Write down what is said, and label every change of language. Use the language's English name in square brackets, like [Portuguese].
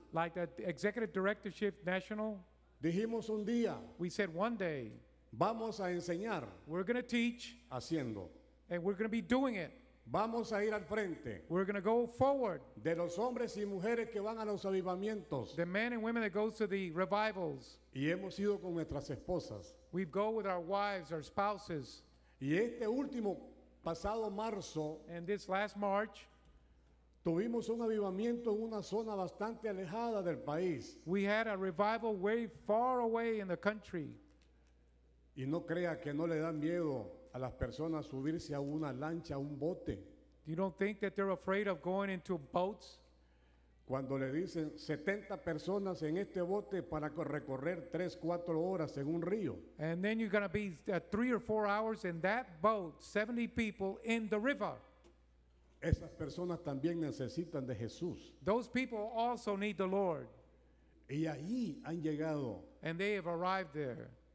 [English] Like the executive directorship national. [Spanish] Dijimos un día. [English] We said one day. [Spanish] Vamos a enseñar. [English] We're going to teach. [Spanish] Haciendo. [English] And we're going to be doing it. [Spanish] Vamos a ir al frente. [English] We're going to go forward. [Spanish] De los hombres y mujeres que van a los avivamientos. [English] The men and women that go to the revivals. [Spanish] Y hemos ido con nuestras esposas. [English] We've go with our wives, our spouses. [Spanish] Y este último pasado marzo. [English] And this last March. [Spanish] Tuvimos un avivamiento en una zona bastante alejada del país. [English] We had a revival way far away in the country. [Spanish] Y no crea que no le dan miedo a las personas subirse a una lancha, a un bote. [English] You don't think that they're afraid of going into boats? [Spanish] Cuando le dicen 70 personas en este bote para recorrer 3, 4 horas en un río. [English] And then you're going to be 3 or 4 hours in that boat, 70 people in the river. [Spanish] Esas personas también necesitan de Jesús. [English] Those people also need the Lord. [Spanish] Y ahí han llegado. [English] And they have arrived there.